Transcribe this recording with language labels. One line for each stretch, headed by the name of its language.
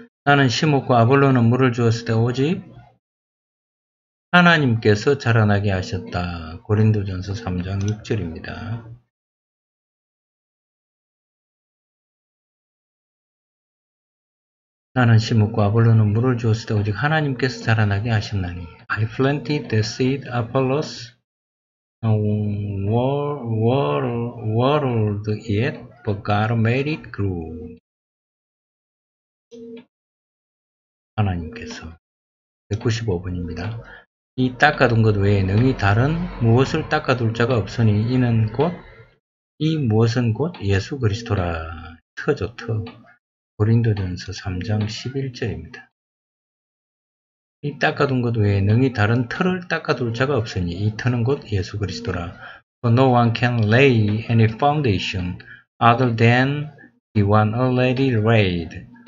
Korean: 나는 심었고 아볼로는 물을 주었을 때 오직 하나님께서 자라나게 하셨다. 고린도전서 3장 6절입니다. 나는 심었고 아볼로는 물을 주었을 때 오직 하나님께서 자라나게 하셨나니.
English: I planted the seed, Apollos watered it, but God made it grow.
Korean: 하나님께서. 195번입니다. 이 닦아둔 것 외에 능히 다른 무엇을 닦아둘 자가 없으니 이는 곧, 이 무엇은 곧 예수 그리스도라. 터죠, 터. 고린도전서 3장 11절입니다. 이 닦아둔 것 외에 능히 다른 터를 닦아둘 자가 없으니 이 터는 곧 예수 그리스도라.
English: For no one can lay any foundation other than the one already laid.